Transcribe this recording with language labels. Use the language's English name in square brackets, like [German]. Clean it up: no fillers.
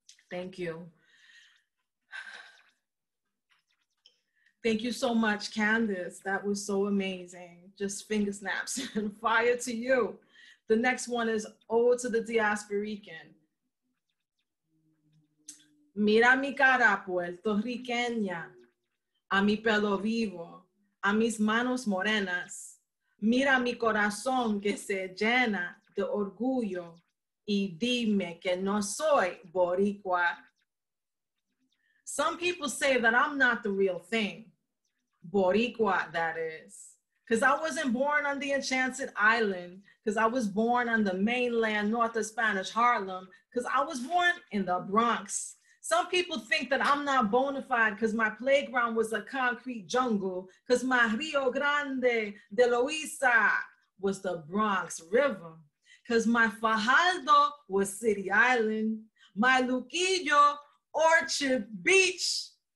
[English] Thank you. Thank you so much, Candace. That was so amazing. Just finger snaps and fire to you. The next one is Ode to the Diasporican. [Spanish] Mira mi cara puertorriqueña, a mi pelo vivo, a mis manos morenas. Mira mi corazón que se llena de orgullo y dime que no soy boricua. [English] Some people say that I'm not the real thing. Boricua, that is. Because I wasn't born on the Enchanted Island, because I was born on the mainland north of Spanish Harlem, because I was born in the Bronx. Some people think that I'm not bona fide because my playground was a concrete jungle, because my Rio Grande de Luisa was the Bronx River, because my Fajardo was City Island, my Luquillo, Orchard Beach.